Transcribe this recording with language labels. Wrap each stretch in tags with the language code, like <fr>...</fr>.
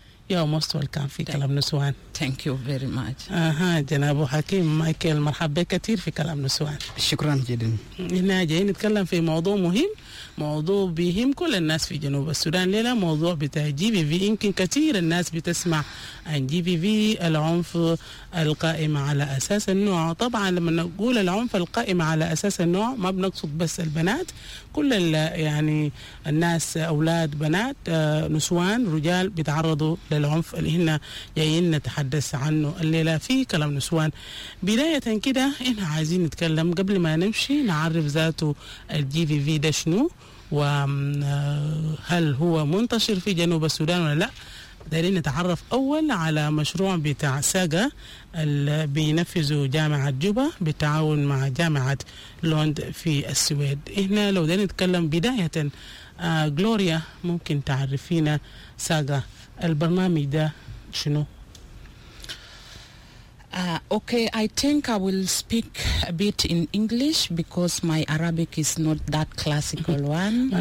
<en>You are most welcome في كلام نسوان. Thank you very much.</en> <ar>جناب حكيم مايكل، مرحبا كثير في كلام نسوان. شكرا جدا. احنا جايين نتكلم في موضوع مهم، موضوع بيهم كل الناس في جنوب السودان ليلة، موضوع بتاع جي في في. يمكن كثير الناس بتسمع عن جي في في، العنف القائم على أساس النوع. طبعا لما نقول العنف القائم على أساس النوع ما بنقصد بس البنات، كل يعني الناس، أولاد بنات نسوان رجال بيتعرضوا للعنف اللي هنا جايين نتحدث عنه الليلة في كلام نسوان. بداية كده احنا عايزين نتكلم قبل ما نمشي نعرف ذاته الجي في في ده شنو، وهل هو منتشر في جنوب السودان ولا لا. دايرين نتعرف أول على مشروع بتاع ساغا اللي بينفذه جامعة جوبا بتعاون مع جامعة لوند في السويد. إحنا لو دايرين نتكلم بداية جلوريا، ممكن تعرفينا ساغا البرنامج ده شنو؟</ar> <en>Okay, I think I will speak a bit in English because my Arabic is not that classical one.</en>